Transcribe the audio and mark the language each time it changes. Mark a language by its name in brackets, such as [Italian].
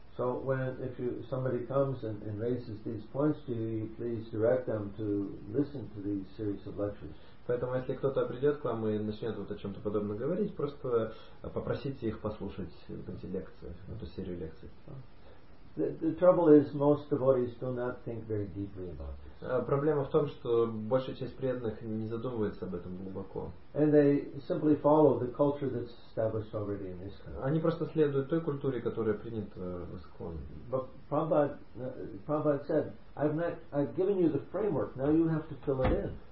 [English] So when somebody comes and raises these points to you, please direct them to listen to these series of lectures. [Russian] Поэтому если кто-то придет к вам и начнет вот о чем-то подобном говорить, просто попросите их послушать эти лекции, эту серию лекций. [English] The trouble is most devotees do not think very deeply about this. [Russian] Проблема в том, что большая часть преданных не задумывается об этом глубоко. [English] And they simply follow the culture that's established already in this country. [Russian] Они просто следуют той культуре, которая принята в Искон. [English] But Prabhupada said, I've given you the framework, now you have to fill it in.